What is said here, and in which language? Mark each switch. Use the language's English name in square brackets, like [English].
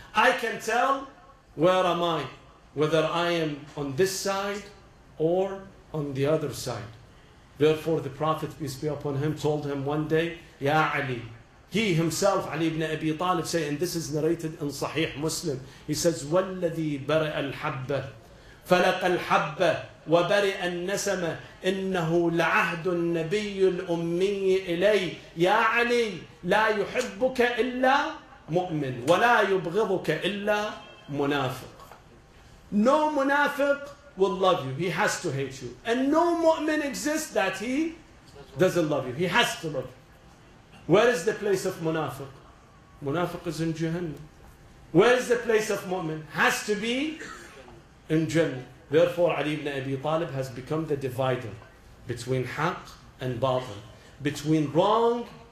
[English] I can tell where am I, whether I am on this side or on the other side. Therefore, the Prophet, peace be upon him, told him one day, Ya Ali. He himself, Ali ibn Abi Talib, say, and this is narrated in Sahih Muslim. He says, [Arabic] وَالَّذِي بَرَأَ الْحَبَّ فَلَقَ الْحَبَّ وَبَرِئَ النَّسَمَ إِنَّهُ لَعَهْدُ النَّبِيُّ الْأُمِّيِّ إِلَيْهِ. Ya Ali, لا يحبك إلا مؤمن ولا يبغضك إلا منافق. [English] No munafiq will love you. He has to hate you. And no mu'min exists that he doesn't love you. He has to love you. Where is the place of munafiq? Munafiq is in Jahannam. Where is the place of mu'min? Has to be in Jannah. Therefore, Ali ibn Abi Talib has become the divider between haqq and batil, between wrong